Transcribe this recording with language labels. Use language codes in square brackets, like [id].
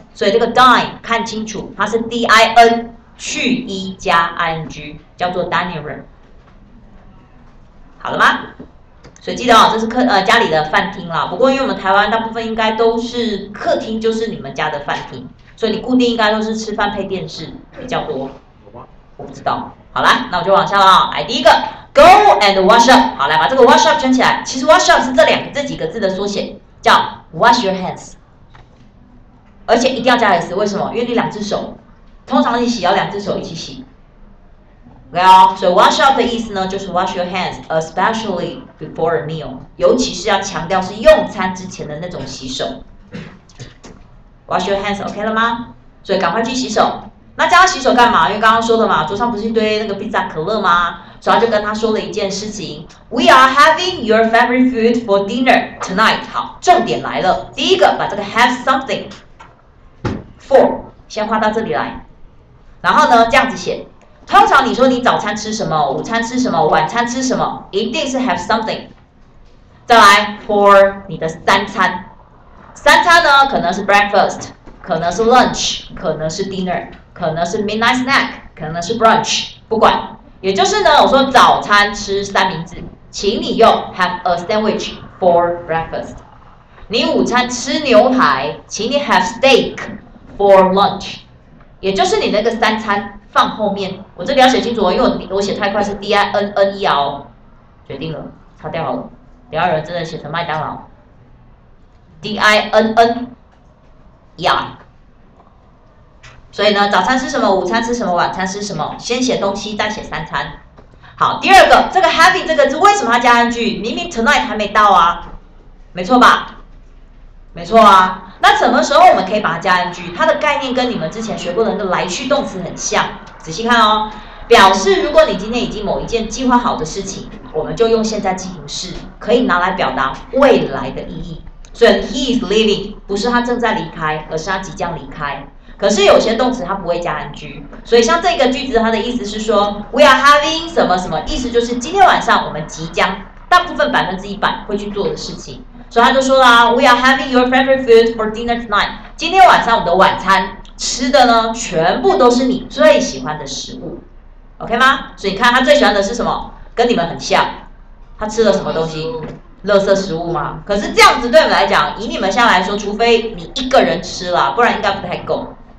[zh] 所以这个 dine 看清楚，它是 D-I-N 去 E 加 I-N-G， 叫做 dining room。好了吗？所以记得哦，这是家里的饭厅啦。不过因为我们台湾大部分应该都是客厅，就是你们家的饭厅，所以你固定应该都是吃饭配电视比较多。我不知道。好啦，那我就往下了。来，第一个 [en] go and wash up。 [zh] 好，来把这个 wash up 圈起来。其实 wash up 是这几个字的缩写，叫 [en] wash your hands。 [zh] 而且一定要加 s， 为什么？因为你两只手，通常你洗要两只手一起洗。 [en] Well, so wash up [zh] 的意思呢，就是 [en] wash your hands, especially before a meal， [zh] 尤其是要强调是用餐之前的那种洗手。 [en] Wash your hands, OK [zh] 了吗？所以赶快去洗手。那叫他洗手干嘛？因为刚刚说的嘛，桌上不是一堆那个披萨可乐吗？所以他就跟他说了一件事情 ： [en] We are having your favorite food for dinner tonight。 [zh] 好，重点来了，第一个把这个 have something for 先画到这里来，然后呢，这样子写。通常你说你早餐吃什么，午餐吃什么，晚餐吃什么，一定是 have something。再来 for 你的三餐，三餐呢可能是 breakfast， 可能是 lunch， 可能是 dinner， 可能是 midnight snack， 可能是 brunch， 不管。也就是呢，我说早餐吃三明治，请你用 [en] have a sandwich for breakfast。 [zh] 你午餐吃牛排，请你 [en] have steak for lunch。 [zh] 也就是你那个三餐。放后面，我这里要写清楚，因为我写太快是 D I N N E R， 决定了，擦掉好了。第二人真的写成麦当劳 ，D I N N E R。所以呢，早餐吃什么，午餐吃什么，晚餐吃什么，先写东西，再写三餐。好，第二个，这个 having 这个字为什么要加 N G？ 明明 tonight 还没到啊，没错吧？没错啊。那什么时候我们可以把它加 ing？ 它的概念跟你们之前学过的那个来去动词很像，仔细看哦。表示如果你今天已经某一件计划好的事情，我们就用现在进行式，可以拿来表达未来的意义。所以 [en] he is leaving [zh] 不是他正在离开，而是他即将离开。可是有些动词它不会加 ing， 所以像这个句子，它的意思是说 [en] we are having [zh] 什么什么，意思就是今天晚上我们即将大部分100%会去做的事情。所以他就说啦 ， [en] We are having your favorite food for dinner tonight。 [zh] 今天晚上我们的晚餐吃的呢，全部都是你最喜欢的食物 ，OK 吗？所以你看他最喜欢的是什么？跟你们很像，他吃了什么东西？垃圾食物吗？可是这样子对我们来讲，以你们现在来说，除非你一个人吃了，不然应该不太够。